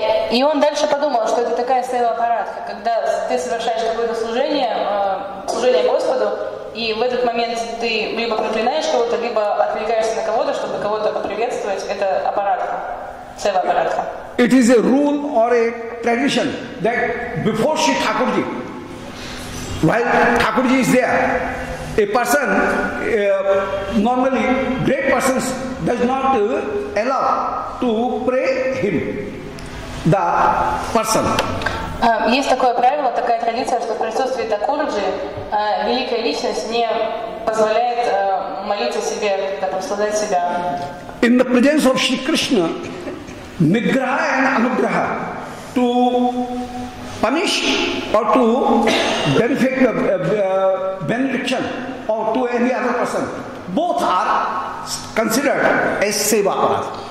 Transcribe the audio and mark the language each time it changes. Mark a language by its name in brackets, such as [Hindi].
[Russian] И он дальше подумал, что это такая Сева-парадха, когда ты совершаешь какое-то служение, служение Господу, и в этот момент ты либо проклинаешь кого-то, либо отвлекаешься на кого-то, чтобы кого-то поприветствовать. Это аппаратха, Сева-парадха. [English] It is a rule or a tradition that before Shri Thakurji, while Thakurji is there, a person, normally great persons, does not allow to pray him. The person. [Russian] Есть такое правило, такая традиция, что в присутствии Такурджи великая личность не позволяет молиться себе, прославлять себя. [English] In the presence of Shri Krishna, nigraha and anugraha, to punish or to benefit benediction or to any other person, both are considered as seva parat.